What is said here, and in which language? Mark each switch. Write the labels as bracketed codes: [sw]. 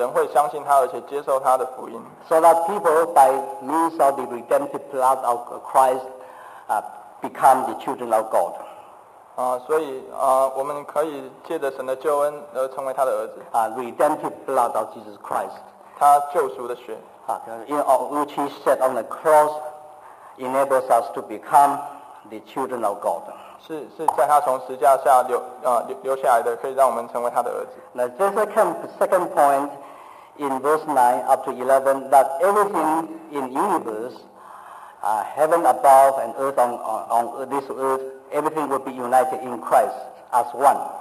[zh] 从创造的起头，神就知道人会相信他，而且接受他的福音。 [en] So that people, by means of the redemptive blood of Christ, become the children of God. [zh] 所以我们可以借着神的救恩而成为他的儿子。 [en] Redemptive blood of Jesus Christ. [zh] 他救赎的血。 [en] In all which He said on the cross enables us to become the children of God. [zh] 是在他从十字架下留下来的，可以让我们成为他的儿子。 [en] Now, there's a second point in verse 9 up to 11 that everything in the universe, heaven above and earth on this earth, everything will be united in Christ as one.